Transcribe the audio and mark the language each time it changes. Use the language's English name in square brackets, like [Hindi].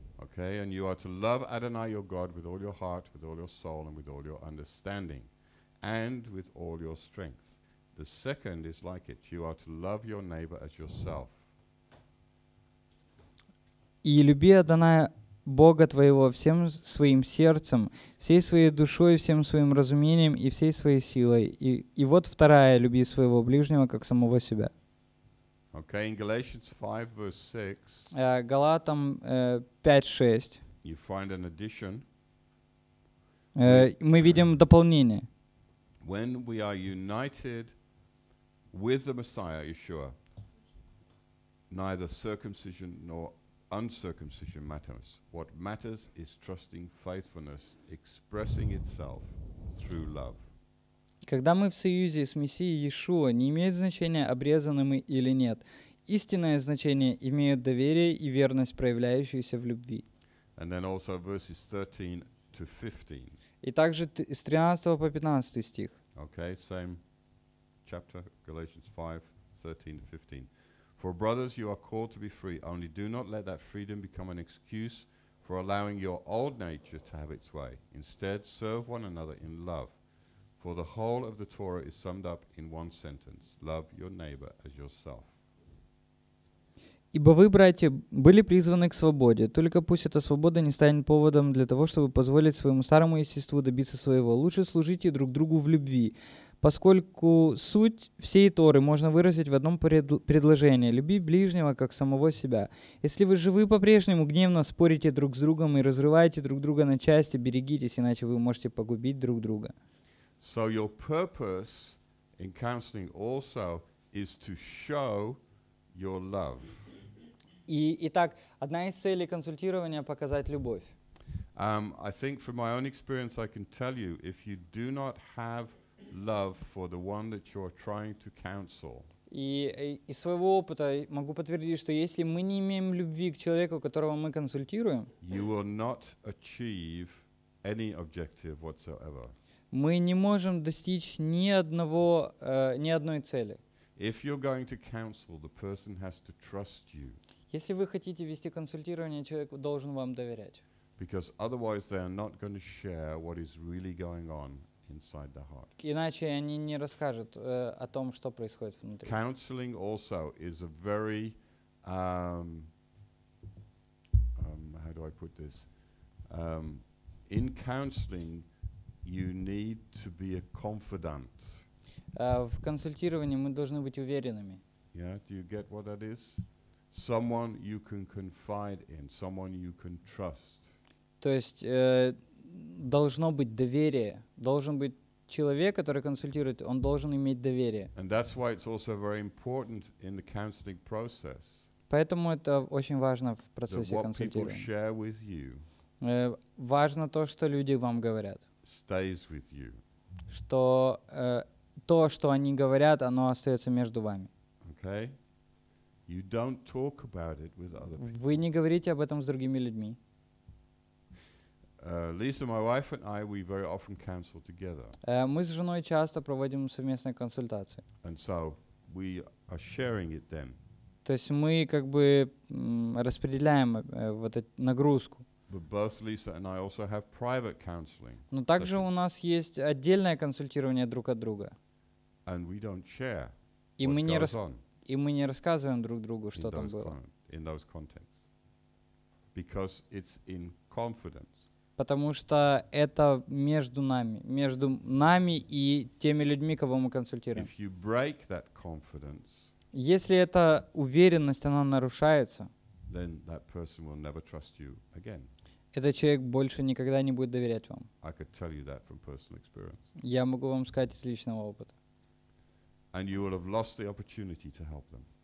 [English] Okay, and you are to love Adonai your God with all your heart, with all your soul, and with all your understanding, and with all your strength. The second is like it. You are to love your neighbor as yourself. [Russian] И люби Адоная Бога твоего всем своим сердцем, всей своей душой, всем своим разумением и всей своей силой. И вот вторая, люби своего ближнего, как самого себя. [English] Okay, in Galatians 5, verse 6, [Russian] Галатам 5:6. [English] You find an addition. [Russian] Мы видим дополнение. [English] When we are united with the Messiah, Yeshua, neither circumcision nor uncircumcision matters. What matters is trusting faithfulness, expressing itself through love. [Russian] Когда мы в союзе с Мессией Иешуа, не имеет значения, обрезаны мы или нет. Истинное значение имеют доверие и верность, проявляющиеся в любви. [English] And then also verses 13 to 15. [Russian] И также с 13 по 15 стих. [English] Okay, same chapter, Galatians 5:13-15. For brothers, you are called to be free, only do not let that freedom become an excuse for allowing your old nature to have its way. Instead, serve one another in love. For the whole of the Torah is summed up in one sentence: love your neighbor as yourself. [Russian] Ибо вы, братья, были призваны к свободе. Только пусть эта свобода не станет поводом для того, чтобы позволить своему старому естеству добиться своего. Лучше служите друг другу в любви, поскольку суть всей Торы можно выразить в одном предложении: люби ближнего как самого себя. Если вы живы по-прежнему гневно спорите друг с другом и разрываете друг друга на части, берегитесь, иначе вы можете погубить друг друга. [English] So your purpose in counseling also is to show your love. [Russian] Итак, одна из целей консультирования — показать любовь. [English] I think from my own experience I can tell you, if you do not have love for the one that you are trying to counsel. [Russian] И из своего опыта могу подтвердить, что если мы не имеем любви к человеку, которого мы консультируем, [English] you will not achieve any objective whatsoever. [Russian] Мы не можем достичь ни одной цели. [English] If you're going to counsel, the person has to trust you. [Russian] Если вы хотите вести консультирование, человек должен вам доверять. [English] Because otherwise they are not going to share what is really going on inside the heart. [Russian] Иначе они не расскажут о том, что происходит внутри. [English] Counseling also is a very how do I put this? In counseling you need to be a confidant. [Russian] В консультировании мы должны быть уверенными. [English] Yeah, do you get what that is? Someone you can confide in, someone you can trust. [Russian] То есть должно быть доверие. Должен быть человек, который консультирует, он должен иметь доверие. [English] And that's why it's also very important in the counseling process. [Russian] Поэтому это очень важно в процессе консультирования. [English] That what people share with you. [Russian] Важно то, что люди вам говорят. [English] Stays with you. [Russian] Что то, что они говорят, оно остается между вами. [English] Okay. You don't talk about it with other people. [Russian] Вы не говорите об этом с другими людьми. [English] Lisa, my wife and I, we very often counsel together. [Russian] Мы с женой часто проводим совместные консультации. [English] And so we are sharing it then. [Russian] То есть мы как бы распределяем вот эту нагрузку. [English] But both Lisa and I also have private counseling. [Russian] Но также у нас есть отдельное консультирование друг от друга. [English] And we don't share what goes on. [Russian] И мы не рассказываем друг другу, что там было. [English] In those contexts. Because it's in confidence. [Russian] Потому что это между нами. Между нами и теми людьми, кого мы консультируем. [English] If you break that confidence, [Russian] если эта уверенность, она нарушается, [English] then that person will never trust you again. [Russian] Этот человек больше никогда не будет доверять вам. [English] I could tell you that from personal experience. [Russian] Я могу вам сказать из личного опыта. [English] And you will have lost the opportunity to help them.